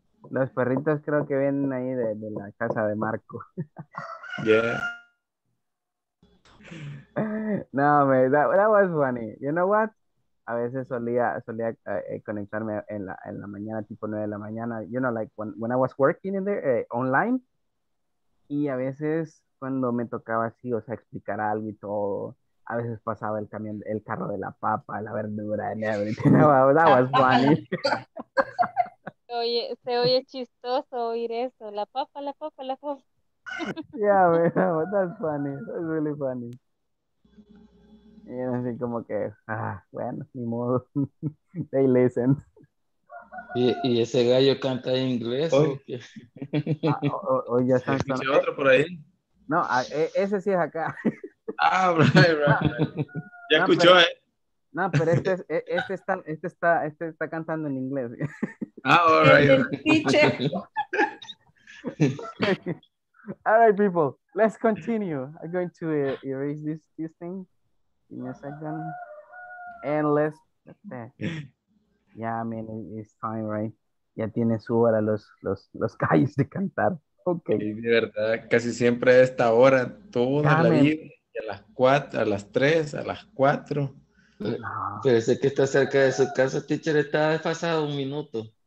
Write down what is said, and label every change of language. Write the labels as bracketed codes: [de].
[es] Los perritos creo que vienen ahí de la casa de Marco. [en] Yeah. No, man, that was funny. You know what? [es] A veces solía conectarme en la mañana, tipo 9 de la mañana. [en] You know, like when I was working in there online. [es] Y a veces cuando me tocaba así, o sea, explicar algo y todo. A veces pasaba el camión, el carro de la papa, la verdura, [en] and everything. That was funny. [es] Se oye chistoso oír eso. La papa. [en] Yeah, man, that's funny. That's really funny. [es] Y así como que, ah, bueno, ni modo. [en] They listen. [es] ¿Y ese gallo canta en inglés? ¿O ya está? ¿Escuché otro por ahí? No, ese sí es acá. Ah, right. Ya no, escuchó, pero, ¿eh? No, pero este está cantando en inglés. [en] Ah, all right. [es] El teacher. [en] All right, people, let's continue. I'm going to erase this thing in a second. And it's fine, right? [es] Ya tiene su hora los gallos de cantar. [en] Okay. [es] Sí, de verdad, casi siempre a esta hora, toda la vida, a las 3, a las 4. No. Pero sé que está cerca de su casa, teacher, está desfasado un minuto.